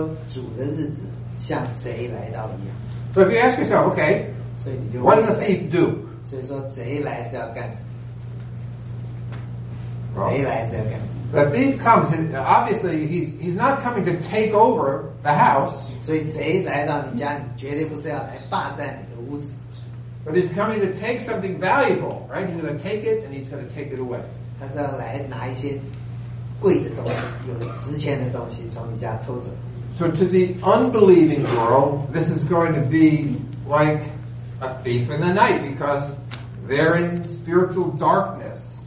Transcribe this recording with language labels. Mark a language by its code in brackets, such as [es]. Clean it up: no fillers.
[zh] 所以彼得、保罗、耶稣他自己都说主的日子像贼来到一样。 [en] So if you ask yourself, okay, what does a thief do? [zh] 所以说贼来是要干什么？贼来是要干什么？ [en] The thief comes, and obviously he's not coming to take over the house. [zh] 所以贼来到你家，你绝对不是要来霸占你的屋子。 [en] But he's coming to take something valuable, right? He's going to take it, and he's going to take it away. [zh] 他是要来拿一些贵的东西，有值钱的东西从你家偷走。 [en] So to the unbelieving world, this is going to be like a thief in the night because they're in spiritual darkness.